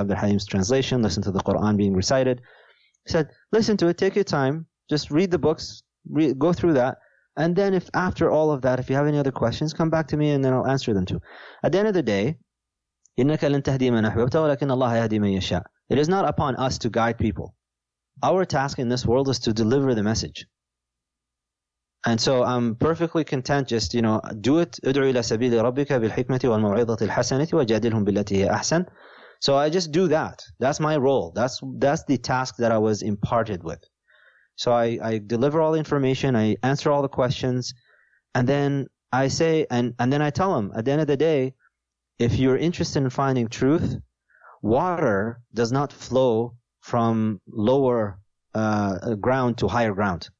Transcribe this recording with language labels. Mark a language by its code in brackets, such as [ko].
[en] Abdul Halim's translation, listen to the Quran being recited. Said, listen to it, take your time, just read the books, go through that, and then if after all of that, if you have any other questions, come back to me and then I'll answer them too. At the end of the day, [ar] إِنَّكَ لَن تَهْدِي مَنْ أَحْبَبْتَ وَلَكِنَّ اللَّهَ يَهْدِي مَنْ يَشَاءُ. [en] It is not upon us to guide people. Our task in this world is to deliver the message. And so I'm perfectly content just, you know, do it, [ar] ادعو إلى سبيل ربك بالحكمة والموعظة الحسنة وجادلهم بالتي هي أحسن. [en] So I just do that. That's my role. That's the task that I was imparted with. So I deliver all the information. I answer all the questions. And then I say, and then I tell them, at the end of the day, if you're interested in finding truth, water does not flow from lower ground to higher ground.